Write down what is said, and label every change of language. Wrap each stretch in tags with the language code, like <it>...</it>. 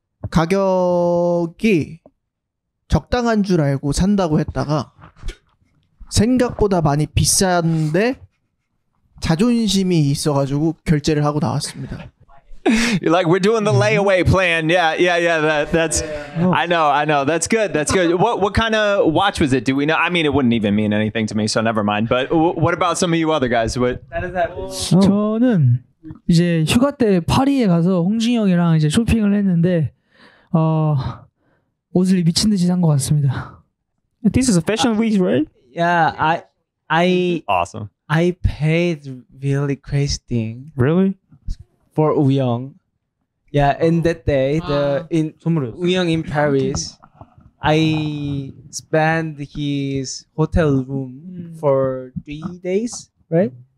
<ko>가격이 적당한 줄 알고 산다고 했다가 생각보다 많이 비싼데 자존심이 있어가지고 결제를 하고 나왔습니다.</ko> <en>You're like we're doing the layaway plan. Yeah. That's. I know. That's good. What kind of watch was it? Do we know? I mean, it wouldn't even mean anything to me, so never mind. But what about some of you other guys? What? That is that.</en> <ko>저는 이제 휴가 때 파리에 가서 홍진영이랑 이제 쇼핑을 했는데 옷을 미친 듯이 산 것 같습니다.</ko> <en>This is a fashion week, right? Yeah, I awesome. I paid really crazy thing. Really? For Uyeong. Yeah, in that day, the in Uyeong in Paris, I spent his hotel room for 3 days, right?</en>